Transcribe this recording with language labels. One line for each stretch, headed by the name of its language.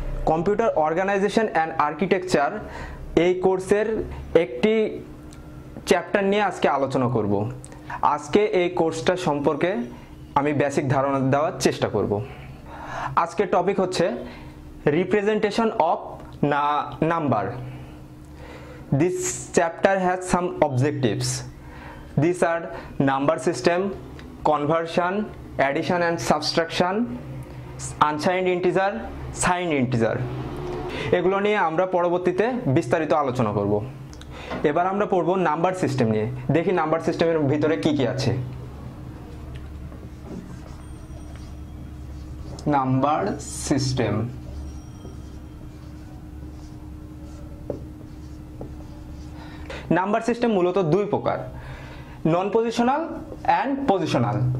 Bangla: Computer organisation and architecture এই কোর্সের একটি চ্যাপ্টার নিয়ে আজকে আলোচনা করব। আজকে এই কোর্সটা সম্পর্কে আমি বেসিক ধারণা দেওয়ার চেষ্টা করব। আজকে টপিক হচ্ছে representation of number.
English: This chapter has some objectives. These are number system, conversion, addition and subtraction, unsigned integer, signed integer.
Bangla: এগুলো নিয়ে আমরা পরবর্তীতে বিস্তারিত আলোচনা করব। এবার আমরা পড়ব নাম্বার সিস্টেম নিয়ে। দেখি নাম্বার সিস্টেমের ভিতরে কি কি আছে। নাম্বার সিস্টেম নাম্বার সিস্টেম মূলত দুই প্রকার, নন পজিশনাল অ্যান্ড পজিশনাল।